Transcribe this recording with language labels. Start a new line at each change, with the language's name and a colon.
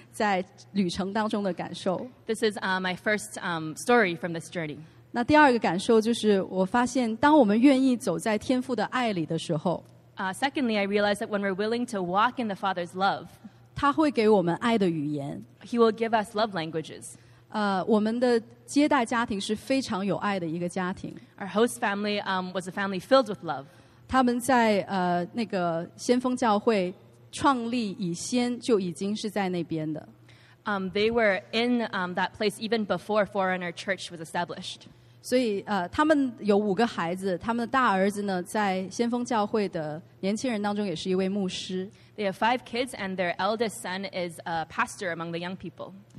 Chinese: 这是我第一个在旅程当中的感受。
English: This is my first story from this journey.
Chinese: 那第二个感受就是，我发现当我们愿意走在天父的爱里的时候，
English: Secondly, I realize that when we're willing to walk in the Father's love,
Chinese: 他会给我们爱的语言。
English: He will give us love languages.
Chinese: 我们的接待家庭是非常有爱的一个家庭。
English: Our host family was a family filled with love.
Chinese: 他们在那个先锋教会创立以先就已经是在那边的。
English: They were in that place even before Forerunner Church was established.
Chinese: 所以他们有5个孩子，他们的大儿子呢，在先锋教会的年轻人当中也是一位牧师。
English: They have 5 kids, and their eldest son is a pastor among the young people.